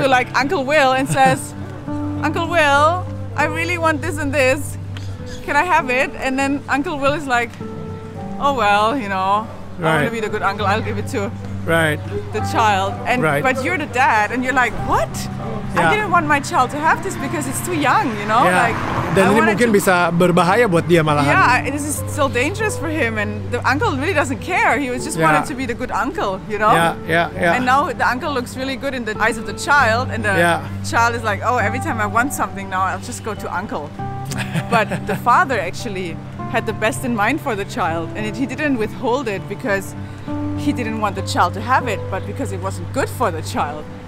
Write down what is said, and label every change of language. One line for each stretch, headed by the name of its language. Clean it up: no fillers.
English: To like Uncle Will and says, Uncle Will, I really want this and this, can I have it? And then Uncle Will is like, oh well, you know, right, I want to be the good uncle, I'll give it to... Right. The child. And right. But you're the dad and you're like, what? Yeah. I didn't want my child to have this because it's too young, you know? Yeah. Like,
Indonesian: dan ini mungkin bisa berbahaya buat dia malahan.
English: Yeah, this is so dangerous for him, and the uncle really doesn't care. He was just wanted to be the good uncle, you know? Yeah, yeah, yeah. And now the uncle looks really good in the eyes of the child, and the child is like, oh, every time I want something now, I'll just go to uncle. But the father actually had the best in mind for the child, and he didn't withhold it because he didn't want the child to have it, but because it wasn't good for the child.